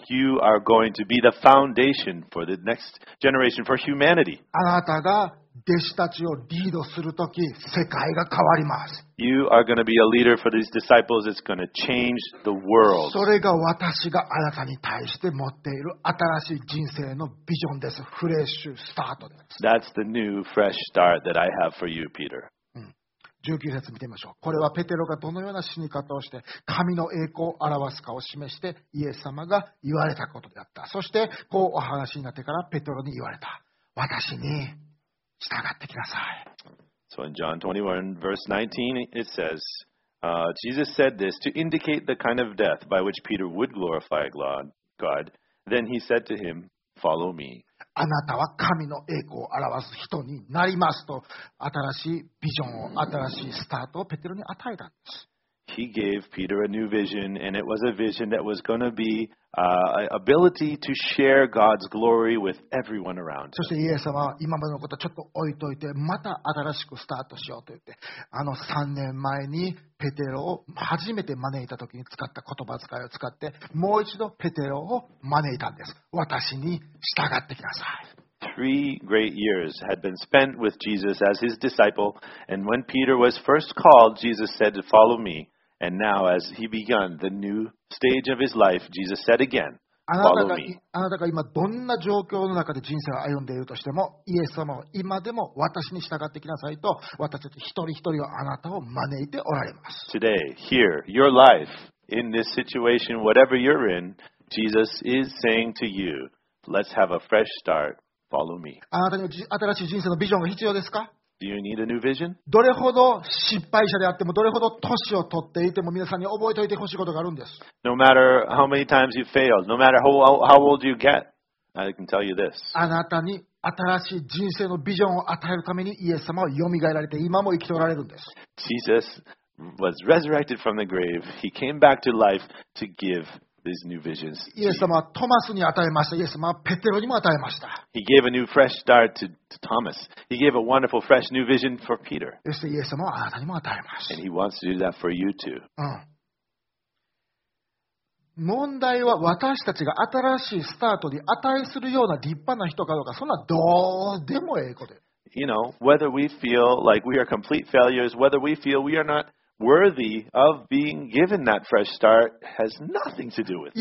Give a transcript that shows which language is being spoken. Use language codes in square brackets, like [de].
[en] You are going to be the foundation for the next generation for humanity. [ja] あなたが弟子たちをリードするとき、世界が変わります。 [en] You are going to be a leader for these disciples. It's going to change the world. [ja] それが私があなたに対して持っている新しい人生のビジョンです。フレッシュスタートです。 [en] That's the new fresh start that I have for you, Peter. [ja] 19節見てみましょう。これはペテロがどのような死に方をして神の栄光を表すかを示してイエス様が言われたことであった。そしてこうお話になってからペテロに言われた。私に従ってください。 [en] So in John 21 verse 19 it says, Jesus said this to indicate the kind of death by which Peter would glorify God. Then he said to him, follow me. [ja] あなたは神の栄光を表す人になりますと新しいビジョンを新しいスタートをペテロに与えたんです。 [en] He gave Peter a new vision and it was a vision that was going to beAbility to share God's glory with everyone around. [ja] そしてイエス様は今までのことをちょっと置いといて、また新しくスタートしようと言って、あの3年前にペテロを初めて招いた時に使った言葉遣いを使って、もう一度ペテロを招いたんです。私に従ってください。 [en] Three great years had been spent with Jesus as his disciple, and when Peter was first called, Jesus said to follow me. And now, as he began the new stage of his life, Jesus said again, follow me. [ja] あなたが今どんな状況の中で人生を歩んでいるとしても、イエス様は今でも私に従ってきなさいと、私たち一人一人はあなたを招いておられます。 [en] Today, here, your life, in this situation, whatever you're in, Jesus is saying to you, let's have a fresh start, follow me. [ja] あなたには新しい人生のビジョンが必要ですか？ [en] Do you need a new vision? [ja] どれほど失敗者であっても、どれほど年を取っていても、皆さんに覚えておいてほしいことがあるんです。 [en] No matter how many times you failed, no matter how old you get, I can tell you this. [ja] あなたに新しい人生のビジョンを与えるために、イエス様はよみがえられて、今も生きておられるんです。 [en] Jesus was resurrected from the grave. He came back to life to give these new visions. [ja] イエス様はトマスに与えました。イエス様はペテロにも与えました。 [en] He gave a new fresh start to Thomas. He gave a wonderful fresh new vision for Peter. [ja] そしてイエス様はあなたにも与えます。 [en] And he wants to do that for you too. [ja] 問題は私たちが新しいスタートに値するような立派な人かどうか、そんなどうでもええことです。 [en] You know, whether we feel like we are complete failures, whether we feel we are not worthy of being given that fresh start, has nothing to do with it.